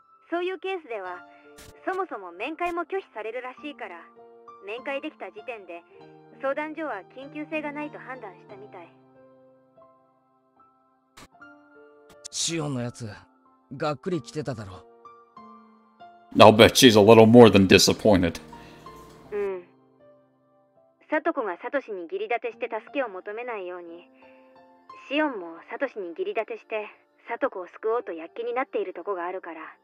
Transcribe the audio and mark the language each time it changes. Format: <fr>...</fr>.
<ja>そういうケースでは、そもそも面会も拒否されるらしいから、面会できた時点で、相談所は緊急性がないと判断したみたい。シオンのやつ、がっくり来てただろう。</ja> <en>I'll bet she's a little more than disappointed.</en> <ja>うん。サトコがサトシに義理立てして助けを求めないように。シオンもサトシに義理立てしてサトコを救おうと躍起になっているとこがあるから。</ja>